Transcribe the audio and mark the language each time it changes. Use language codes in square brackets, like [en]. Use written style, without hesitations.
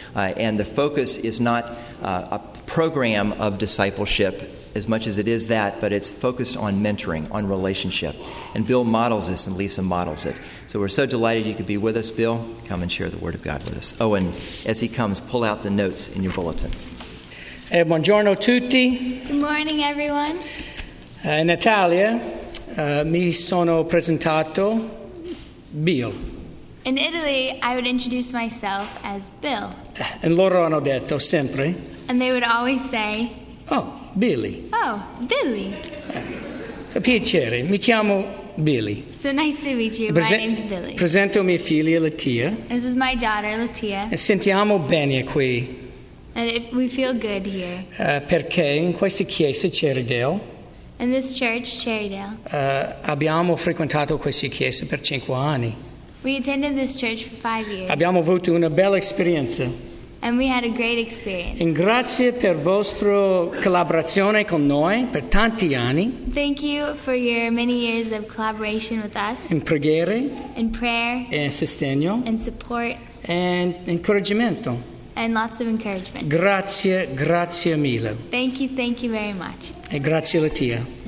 [en] And the focus is not a program of discipleship as much as it is that, but it's focused on mentoring, on relationship. And Bill models this, and Lisa models it. So we're so delighted you could be with us, Bill. Come and share the Word of God with us. Oh, and as he comes, pull out the notes in your bulletin. [it] Hey, buongiorno tutti. [en] Good morning, everyone. [it] In Italia, mi sono presentato Bill. [en] In Italy, I would introduce myself as Bill. And [it] loro hanno detto sempre. [en] And they would always say, "Oh, Billy." Oh, Billy. So [it] piacere, mi chiamo Billy. [en] So nice to meet you. My name's Billy. [it] Presento mia figlia Latia. [en] This is my daughter Latia. [it] E sentiamo bene qui. [en] And we feel good here. [it] Perché in questa chiesa Cherrydale. [en] In this church, Cherrydale. [it] Abbiamo frequentato questa chiesa per 5 anni. [en] We attended this church for 5 years. [it] Abbiamo avuto una bella esperienza. [en] And we had a great experience. [it] In grazie per vostra collaborazione con noi per tanti anni. [en] Thank you for your many years of collaboration with us. [it] In preghiere. [en] In prayer. [it] In sostegno. [en] And support. And [it] incoraggiamento. [en] And lots of encouragement. [it] Grazie, grazie mille. [en] Thank you very much. [it] E grazie Latia.